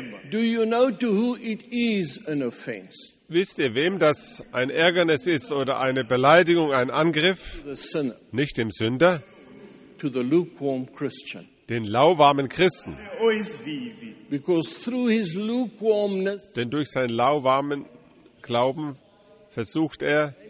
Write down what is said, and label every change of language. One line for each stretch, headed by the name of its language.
English: Do you know to who it is an offense?
German: Wisst ihr, wem das ein Ärgernis ist oder eine Beleidigung, ein Angriff? Nicht dem Sünder.
English: To the lukewarm Christian.
German: Den lauwarmen Christen.
English: Because through his lukewarmness.
German: Denn durch seinen lauwarmen Glauben versucht er,